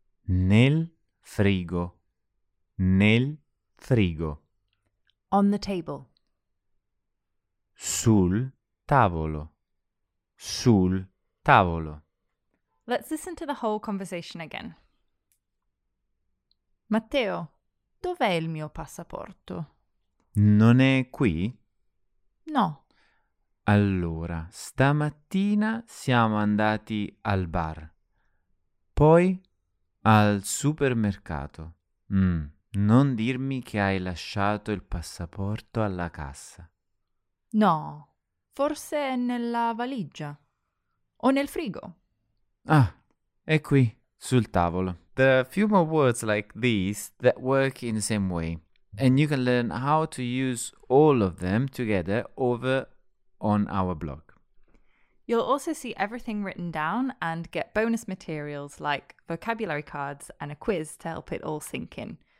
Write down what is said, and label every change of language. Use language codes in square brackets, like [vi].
[it] Nel frigo. Nel frigo. [en] On the table. [it] Sul tavolo. Sul tavolo. [en] Let's listen to the whole conversation again. [it] Matteo, dov'è il mio passaporto? Non è qui? No. Allora, stamattina siamo andati al bar, poi al supermercato. Non dirmi che hai lasciato il passaporto alla cassa. No, forse è nella valigia o nel frigo. Ah, è qui, sul tavolo. [en] There are a few more words like these that work in the same way. And you can learn how to use all of them together over on our blog. You'll also see everything written down and get bonus materials like vocabulary cards and a quiz to help it all sink in.